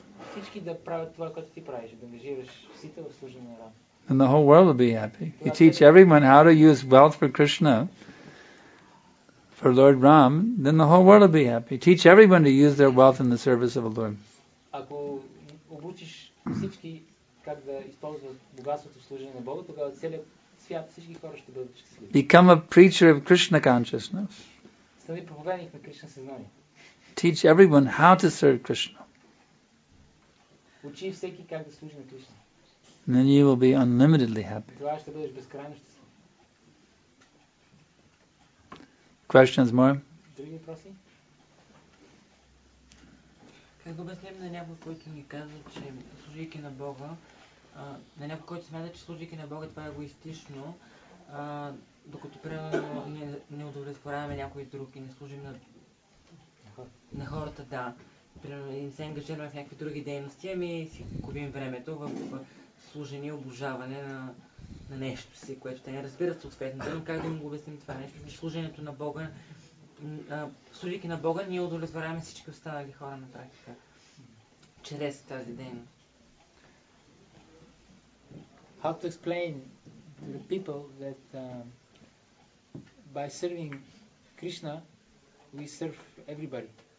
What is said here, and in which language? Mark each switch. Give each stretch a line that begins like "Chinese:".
Bulgarian: Всички да правят това, което ти правиш, да ангажираш Сита в служение на Рам.
English: And the whole world will be happy. You teach everyone how to use wealth for Krishna, for Lord Ram, then the whole world will be happy. Teach everyone to use their wealth in the service of the Lord.
Bulgarian: Ако обучиш всички как да използват богатството в служение на Бога, тогава целият свят, всички хора ще бъдат щастливи.
English: Become a preacher of Krishna consciousness.
Bulgarian: Стани проповедник на Кришна съзнание.
English: Teach everyone how to serve Krishna.
Bulgarian: Учи всеки как да служи на Кришна.
English: Then you will be unlimitedly happy.
Bulgarian: Тогава ще бъдеш безкрайно щастлив.
English: Questions more?
Bulgarian: Други въпроси? Как да обясним на някой, който ни казва, че служийки на Бога, на някой, който смята, че служийки на Бога, това е егоистично, докато примерно не удовлетворяваме някой друг и не служим на хората, да. Не се ангажираме в някакви други дейности, ами си губим времето в служение, обожаване на нещо си, което те не разбират съответно. Но как да му го обясним това нещо? Че служението на Бога, служики на Бога, ние удовлетворяваме всички останали хора на практика чрез тази дейност.
English: How to explain to the people that by serving Krishna, we serve everybody.